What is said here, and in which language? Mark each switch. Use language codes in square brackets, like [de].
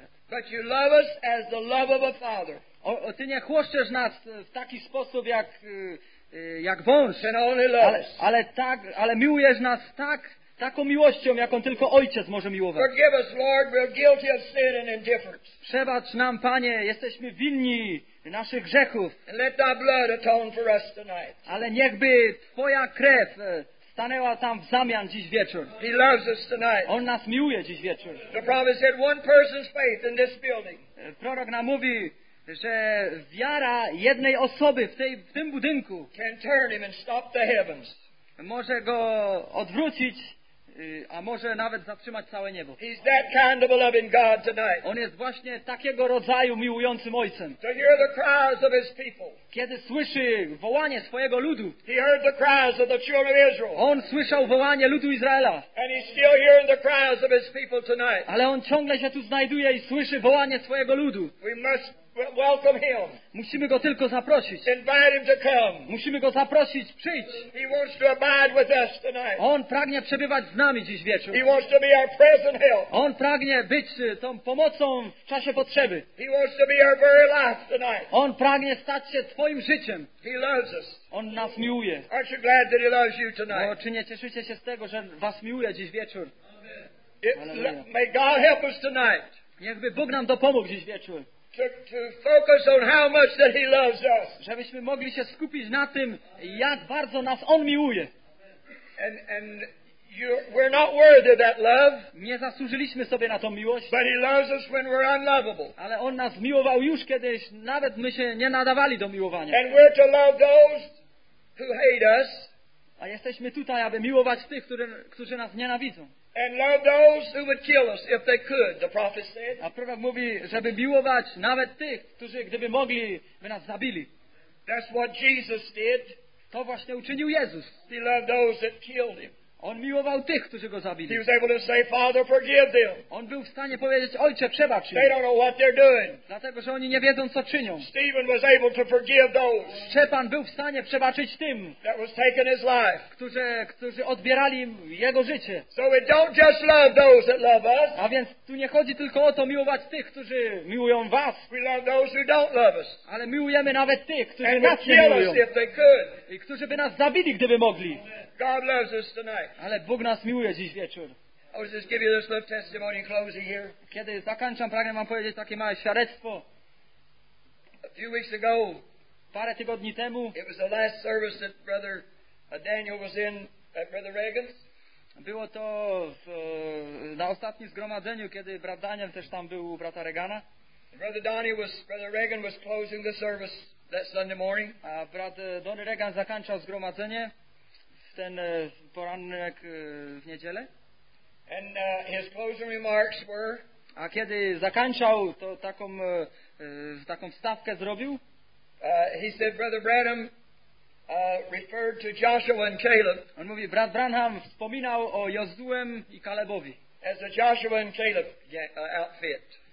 [en] But you love us as the love of a father. [pl] O, ty nie chłoszczesz nas w taki sposób jak wąż. [en] And only love. [pl] Ale miłujesz nas taką miłością, jaką tylko ojciec może miłować. [en] Forgive us, Lord, we're guilty of sin and indifference. [pl] Przebacz nam, Panie, jesteśmy winni naszych grzechów. [en] And let thy blood atone for us tonight. [pl] Ale niechby twoja krew stanęła tam w zamian dziś wieczór. [en] He loves us tonight. [pl] On nas miłuje dziś wieczór. [en] The prophet said one person's faith in this building. [pl] Prorok nam mówi, że wiara jednej osoby w tym budynku [en] can turn him and stop the heavens. [pl] Może go odwrócić, a może nawet zatrzymać całe niebo. [en] He's that kind of a loving God tonight. [pl] On jest właśnie takiego rodzaju miłującym ojcem. [en] To hear the cries of his people. [pl] Kiedy słyszy wołanie swojego ludu. [en] He heard the cries of the children of Israel. [pl] On słyszał wołanie ludu Izraela. [en] And he's still hearing the cries of his people tonight. [pl] Ale on ciągle się tu znajduje i słyszy wołanie swojego ludu. [en] We must welcome him. [pl] Musimy go tylko zaprosić. [en] Invite him to come. [pl] Musimy go zaprosić, przyjdź. [en] He wants to abide with us tonight. [pl] On pragnie przebywać z nami dziś wieczór. [en] He wants to be our present help. [pl] On pragnie być tą pomocą w czasie potrzeby. [en] He wants to be our very life tonight. [pl] On pragnie stać się twoim życiem. [en] He loves us. [pl] On nas miłuje. [en] Aren't you glad that he loves you tonight? [pl] O, czy nie cieszycie się z tego, że was miłuje dziś wieczór? [en] May God help us tonight. [pl] Niechby Bóg nam dopomógł dziś wieczór. [en] To focus on how much that he loves us. [pl] Żebyśmy mogli się skupić na tym, jak bardzo nas on miłuje. [en] And we're not worthy of that love. [pl] Nie zasłużyliśmy sobie na tą miłość. [en] But he loves us when we're unlovable. [pl] Ale on nas miłował już kiedyś, nawet my się nie nadawali do miłowania. [en] And we're to love those who hate us. [pl] A jesteśmy tutaj, aby miłować tych, którzy nas nienawidzą. [en] And love those who would kill us if they could, the prophet said. [pl] A prorok mówi, żeby miłować nawet tych, którzy gdyby mogli, by nas zabili. [en] That's what Jesus did. [pl] To właśnie uczynił Jezus. [en] He loved those that killed him. [pl] On miłował tych, którzy go zabili. [en] He was able to say, Father, forgive them. [pl] On był w stanie powiedzieć, Ojcze, przebacz im. [en] They don't know what they're doing. [pl] Dlatego, że oni nie wiedzą, co czynią. [en] Stephen was able to forgive those. [pl] Szczepan był w stanie przebaczyć tym, [en] that was taking his life. [pl] Którzy odbierali im jego życie. [en] So we don't just love those that love us. [pl] A więc tu nie chodzi tylko o to miłować tych, którzy miłują was. [en] We love those who don't love us. [pl] Ale miłujemy nawet tych, którzy [en] and [pl] nas nie miłują. [en] If they could. [pl] I którzy by nas zabili, gdyby mogli. [en] God loves us tonight. [pl] Ale Bóg nas miłuje dziś wieczór. [en] I was just giving you this little testimony in closing here. [pl] Kiedy zakończam, pragnę wam powiedzieć takie małe świadectwo. [en] A few weeks ago, [pl] parę tygodni temu, [en] it was the last service that Brother Daniel was in at Brother Reagan's. [pl] Było to na ostatnim zgromadzeniu, kiedy brat Daniel też tam był u brata Reagana. [en] Brother Reagan was closing the service that Sunday morning. [pl] A brat Donny Reagan zakończał zgromadzenie. Ten poranek w niedzielę. [en] And his closing remarks were, [pl] A kiedy zakończał, to taką taką wstawkę zrobił. [en] He said, Brother Branham referred to Joshua and Caleb. [pl] On mówi, brat Branham wspominał o Jozuem i Kalebowi. [en] As a Joshua and Caleb outfit.